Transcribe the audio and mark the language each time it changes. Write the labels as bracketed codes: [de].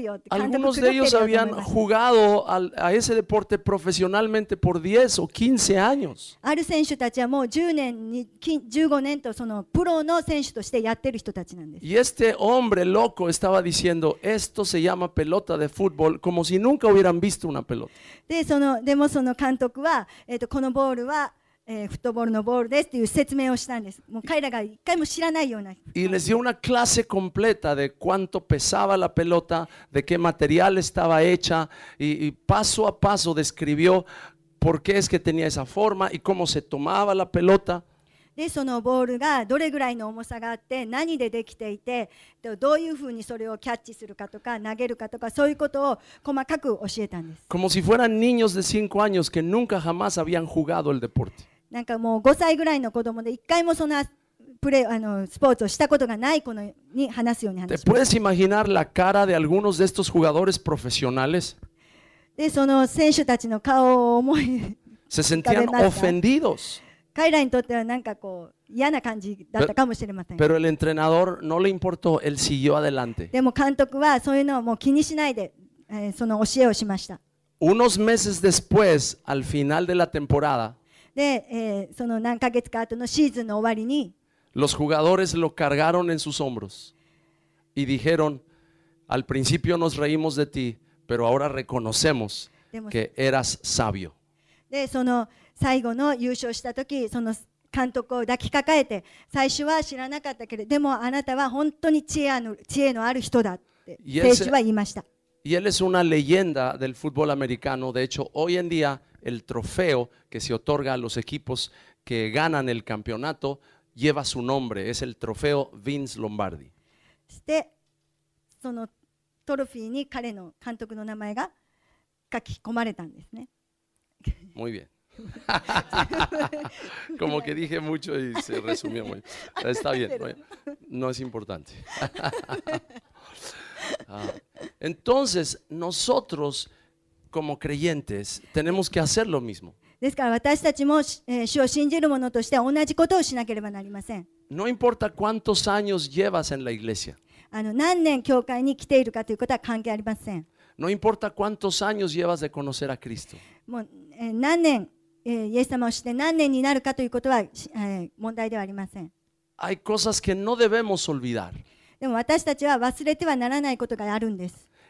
[es] Algunos de ellos habían jugado a ese deporte profesionalmente por 10 o 15 años. [ja] ある選手たちはもう10年、15年とそのプロの選手としてやってる人たちなんです。 [es] Y este hombre loco estaba diciendo, esto se llama pelota de fútbol, como si nunca hubieran visto una pelota. [ja] でもその監督は、このボールはフットボールのボールですという説明をしたんです。もう彼らが一回も知らないような。 [es] Y les dio una clase completa de cuánto pesaba la pelota, de qué material estaba hecha, y paso a paso describió por qué es que tenía esa forma y cómo se tomaba la pelota. [ja] で、そのボールがどれぐらいの重さがあって、何でできていて、どういうふうにそれをキャッチするかとか、投げるかとか、そういうことを細かく教えたんです。 [es] Como si fueran niños de 5 años que nunca jamás habían jugado el deporte. [ja] なんかもう5歳ぐらいの子供で、一回もそんなスポーツをしたことがない子に話すように話します。 [es] Te puedes imaginar la cara de algunos de estos jugadores profesionales? [ja] で、その選手たちの顔を思い [es] Se sentían ofendidos. [ja] 彼らにとってはなんかこう嫌な感じだったかもしれません。 [es] Pero el entrenador no le importó, él siguió adelante. [ja] でも監督はそういうのをもう気にしないで、その教えをしました。 [es] Unos meses después, al final de la temporada, [ja] で、その何ヶ月か後のシーズンの終わりに、 [es] los jugadores lo cargaron en sus hombros y dijeron, al principio nos reímos de ti, pero ahora reconocemos que eras sabio. [ja] で、その最後の優勝した時、その監督を抱きかかえて、最初は知らなかったけれど、でもあなたは本当に知恵のある人だって選手は言いました。 [es] Y él es una leyenda del fútbol americano. De hecho, hoy en día el trofeo que se otorga a los equipos que ganan el campeonato lleva su nombre. Es el trofeo Vince Lombardi. [ja] して、そのトロフィーに彼の監督の名前が書き込まれたんですね。 [es] Muy bien. Como que dije mucho y se resumió muy bien. Está bien, no es importante. Entonces, nosotros como creyentes tenemos que hacer lo mismo. [ja] ですから私たちも主を信じる者として同じことをしなければなりません。 [es] No importa cuántos años llevas en la iglesia. [ja] 何年教会に来ているかということは関係ありません。 [es] No importa cuántos años llevas de conocer a Cristo. [ja] もう何年イエス様を知って何年になるかということは、問題ではありません。 [es] Hay cosas que no debemos olvidar. [ja] でも私たちは忘れてはならないことがあるんです。